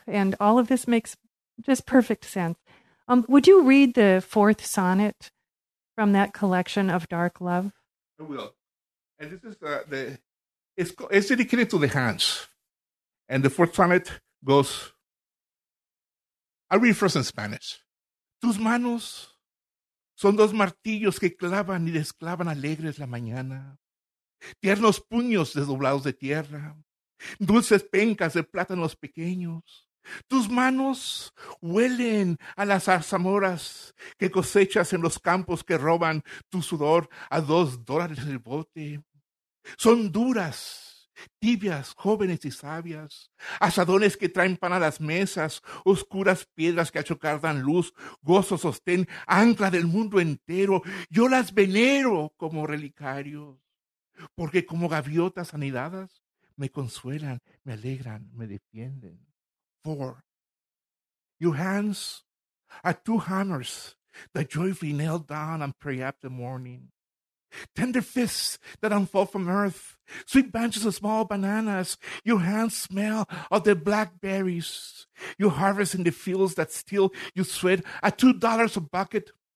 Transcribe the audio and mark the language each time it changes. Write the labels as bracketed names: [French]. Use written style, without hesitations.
[English] And all of this makes just perfect sense. Would you read the fourth sonnet from that collection of dark love? I will. And this is it's dedicated to the hands. And the fourth sonnet goes, I read first in Spanish. [Spanish] Tus manos son dos martillos que clavan y desclavan alegres la mañana. Tiernos puños desdoblados de tierra. Dulces pencas de plátanos pequeños. Tus manos huelen a las zarzamoras que cosechas en los campos que roban tu sudor a $2 el bote. Son duras, tibias, jóvenes y sabias, asadones que traen pan a las mesas, oscuras piedras que a chocar dan luz, gozo sostén, ancla del mundo entero, yo las venero como relicarios, porque como gaviotas anidadas, me consuelan, me alegran, me defienden. [English] 4. Your hands are two hammers that joyfully nail down and pray up the morning. Tender fists that unfold from earth, sweet bunches of small bananas, your hands smell of the blackberries, you harvest in the fields that still you sweat at $2 a bucket.